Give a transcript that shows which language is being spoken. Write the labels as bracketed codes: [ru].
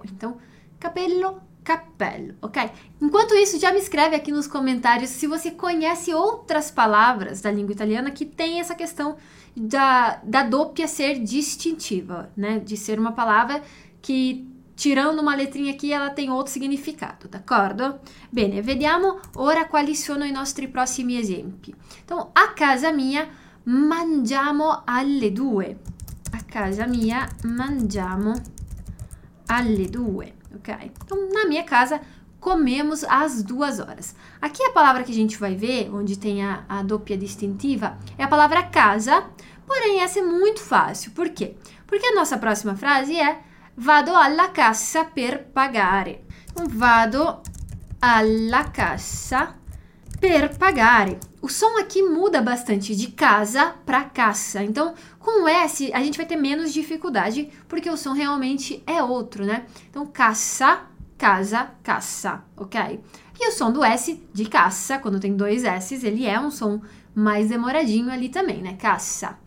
[pt] Então, capello, capello, ok? Enquanto isso, já me escreve aqui nos comentários se você conhece outras palavras da língua italiana que tem essa questão da doppia ser distintiva, né? De ser uma palavra que, tirando uma letrinha aqui, ela tem outro significado, d'accordo? [it] Bene, vediamo ora quali sono i nostri prossimi esempi. Então, a casa mia mangiamo alle due. A casa mia mangiamo alle due. Ok? [pt] Então, na minha casa, comemos às 2 horas. Aqui a palavra que a gente vai ver, onde tem a doppia distintiva, é a palavra casa, porém essa é muito fácil. Por quê? Porque a nossa próxima frase é [it] vado alla cassa per pagare. Então, vado alla cassa per pagare. [pt] O som aqui muda bastante de casa para cassa. Então, com S, a gente vai ter menos dificuldade, porque o som realmente é outro, né? Então, cassa, casa, cassa, ok? E o som do S de cassa, quando tem dois S, ele é um som mais demoradinho ali também, né? Cassa.